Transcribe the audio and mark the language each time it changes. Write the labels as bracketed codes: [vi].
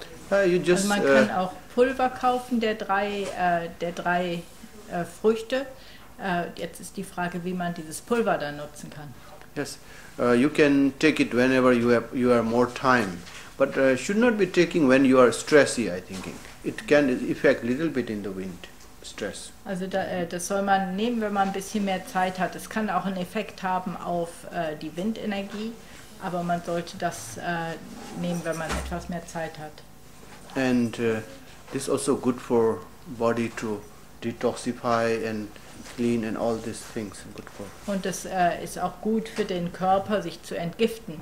[de] Also man kann auch Pulver kaufen der drei Früchte. Jetzt ist die Frage, wie man dieses Pulver dann nutzen kann. [en] Yes, you can take it whenever you have more time, but should not be taking when you are stressy. I think it can affect a little bit in the wind stress. [de] Also das soll man nehmen, wenn man ein bisschen mehr Zeit hat. Es kann auch einen Effekt haben auf die Windenergie. Aber man sollte das nehmen, wenn man etwas mehr Zeit hat. [en] And this also good for body to detoxify and clean and all these things. Good for. [de] Und das ist auch gut für den Körper, sich zu entgiften.